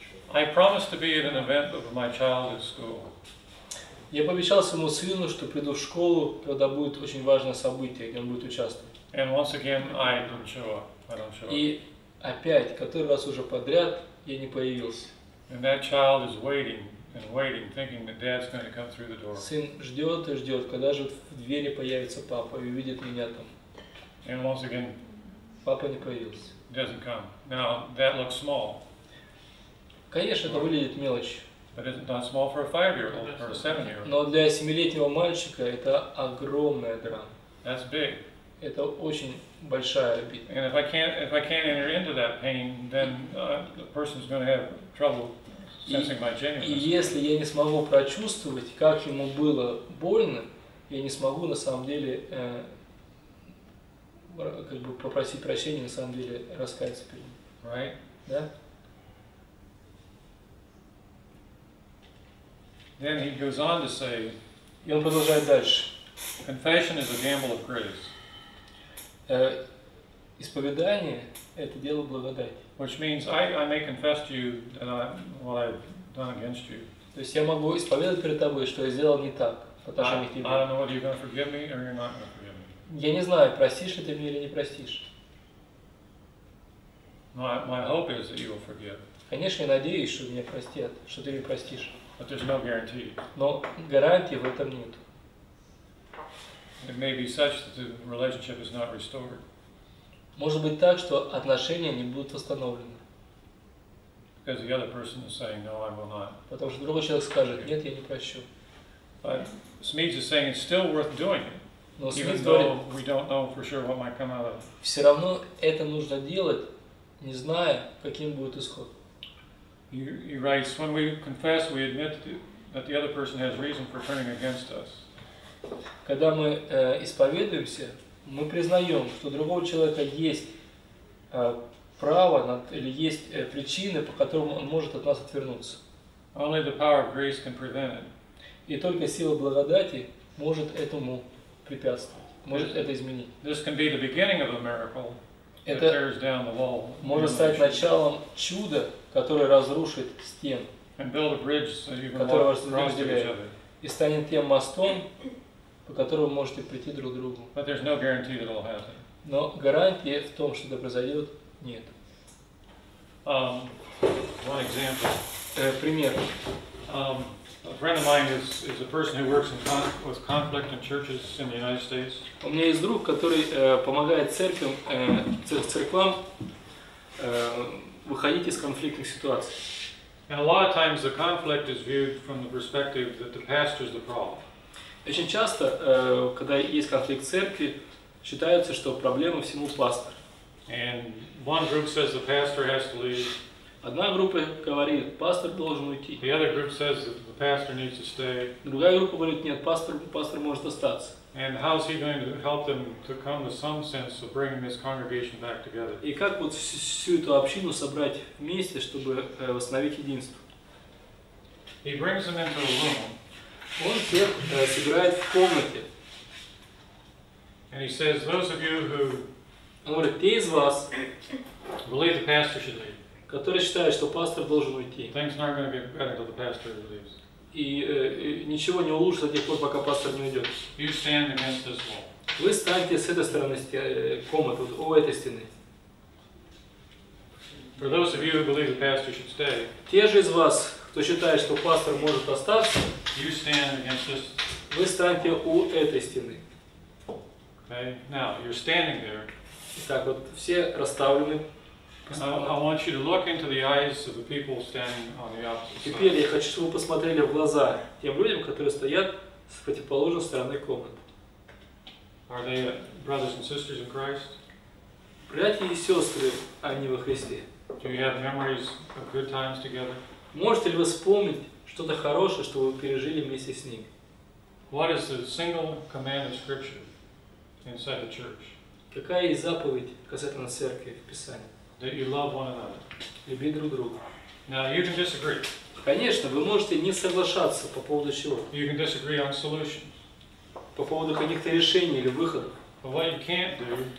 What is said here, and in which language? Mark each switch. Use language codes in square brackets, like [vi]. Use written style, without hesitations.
[en] I promised to be at an event of my childhood school. [ru] Я пообещал своему сыну, что приду в школу, когда будет очень важное событие, где он будет участвовать. [en] And once again, I don't show up. [ru] И опять, который раз уже подряд, я не появился. [en] And that child is waiting, thinking that dad's going to come through the door. [ru] Сын ждет и ждет, когда же в двери появится папа и увидит меня там. [en] And once again, [ru] папа не появился. [en] Doesn't come. Now that looks small. [ru] Конечно, это выглядит мелочь. Но для 7-летнего мальчика это огромная драма. [en] That's big. [ru] Это очень большая обида. [en] And if I can't enter into that pain, then the person's going to have trouble sensing my genuineness. [ru] И если я не смогу прочувствовать, как ему было больно, я не смогу на самом деле как бы попросить прощения, на самом деле раскаяться перед ним. [en] Right? [ru] Да? [en] Then he goes on to say, [ru] и он продолжает дальше. [en] Confession is a gamble of grace. [ru] Исповедание – это дело благодати. [en] Which means I may confess to you that what I've done against you. [ru] То есть я могу исповедовать перед тобой, что я сделал не так, потому что [en] I don't know whether you're going to forgive me or you're not going to forgive me. [ru] Я не знаю, простишь ли ты меня или не простишь. [en] My hope is that you will forgive. [ru] Конечно, я надеюсь, что меня простят, что ты меня простишь. [en] But there's no guarantee. [ru] Но гарантии в этом нет. [en] It may be such that the relationship is not restored. [ru] Может быть так, что отношения не будут восстановлены. [en] Because the other person is saying, no, I will not. [ru] Потому что другой человек скажет, нет, я не прощу. [en] But Smeeds is saying it's still worth doing it. [ru] Но [en] even Smeeds though [ru] говорит, [en] we don't know for sure what might come out of it. [ru] Все равно это нужно делать, не зная, каким будет исход. [en] He writes, when we confess, we admit that the other person has reason for turning against us. [ru] Когда мы исповедуемся, мы признаем, что другого человека есть право над или есть причины, по которым он может от нас отвернуться. [en] Only the power of grace can prevent it. [ru] И только сила благодати может этому препятствовать, может это изменить. [en] This can be the beginning of a miracle. It tears down the wall. [ru] Может стать началом чуда, который разрушит стену, которого разделяет, и станет тем мостом, по которому можете прийти друг к другу. [en] But there's no guarantee that it'll happen. [ru] Но гарантии в том, что это произойдет, нет. [en] One example. [ru] Пример. [en] A friend of mine is a person who works in with conflict in churches in the United States. [ru] У меня есть друг, который помогает церквям, церквам выходить из конфликтных ситуаций. [en] And a lot of times the conflict is viewed from the perspective that the pastor is the problem. [ru] Очень часто, когда есть конфликт в церкви, считается, что проблема всему пастор. [en] And one group says the pastor has to leave. [ru] Одна группа говорит, пастор должен уйти. [en] The other group says that the pastor needs to stay. [ru] Другая группа говорит, нет, пастор может остаться. [en] And how is he going to help them to come to some sense of bringing this congregation back together? [ru] И как вот всю эту общину собрать вместе, чтобы восстановить единство? [en] He brings them into a room. [ru] Он всех собирает в комнате. [en] And he says, those of you who [ru] говорит, те из вас, [en] believe the pastor should leave. [ru] Который считает, что пастор должен уйти. [en] Things aren't going to get better until the pastor leaves. [ru] И ничего не улучшится до тех пор, пока пастор не уйдет. [en] You stand against this wall. [ru] Вы станете с этой стороны комнаты, вот у этой стены. [en] For those of you who believe the pastor should stay. [ru] Те же из вас, кто считает, что пастор может остаться. [en] You stand against this. [ru] Вы станете у этой стены. [en] Okay. Now you're standing there. [ru] Итак, вот все расставлены. [en] I want you to look into the eyes of the people standing on the opposite side. [ru] Теперь я хочу, чтобы вы посмотрели в глаза тем людям, которые стоят с противоположной стороны комнаты. [en] Are they brothers and sisters in Christ? [ru] Братья и сестры, они во Христе. [en] Do you have memories of good times together? [ru] Можете ли вы вспомнить что-то хорошее, что вы пережили вместе с ним? [en] What is the single command of Scripture inside the church? [ru] Какая есть заповедь касательно церкви в Писании? [en] That you love one another. [ru] Люби друг друга. [en] Now you can disagree. [ru] Конечно, вы можете не соглашаться по поводу чего. [en] You can disagree on solutions. [ru] По поводу каких-то решений или выходов. [en] But what you can't do.